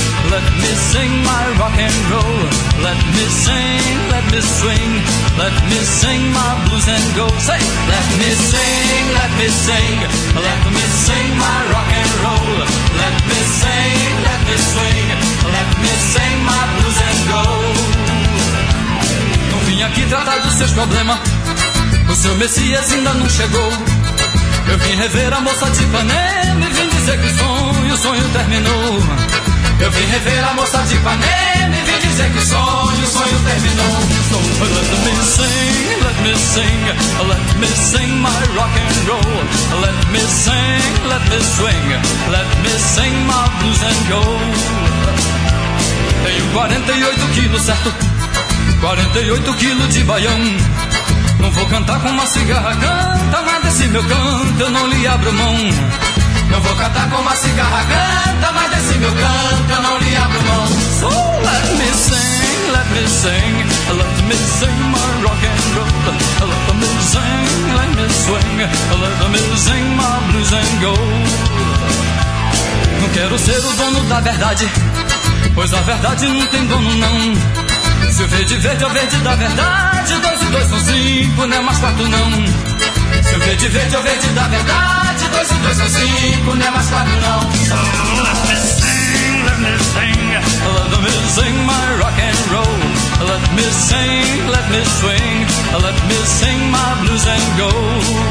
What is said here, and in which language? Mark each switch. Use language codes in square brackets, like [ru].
[en] Let me sing my rock and roll. Let me sing, let me swing. Let me sing my blues and gold. Say, let me sing, let me sing. Let me sing my rock and roll. Let me sing, let me swing. Let me sing my blues and gold. [pt] Não vim aqui tratar dos seus problemas. O seu Messias ainda não chegou. Eu vim rever a moça de Ipanema e vim dizer que o sonho terminou. Eu vim rever a moça de Ipanema e vim dizer que o sonho terminou. [en] So, let me sing, let me sing. Let me sing my rock and roll. Let me sing, let me swing. Let me sing my blues and gold. [pt] Tenho 48 quilos, certo? 48 quilos de baião. Não vou cantar com uma cigarra, canta, mas desse meu canto eu não lhe abro mão. Não vou cantar com uma cigarra, canta, mas desse meu canto eu não lhe abro mão. [en] So let me sing, let me sing. Let me sing my rock and roll. Let me sing, let me swing. Let me sing my blues and gold. [pt] Não quero ser o dono da verdade, pois a verdade não tem dono não. Se o verde verde é o verde da verdade, dois e dois são cinco, não é mais quatro não. Se o verde verde é o verde da verdade, dois e dois são cinco, não é mais quatro não. [en] So let me sing, let me sing. Let me sing my rock and roll. Let me sing, let me swing. Let me sing my blues and gold.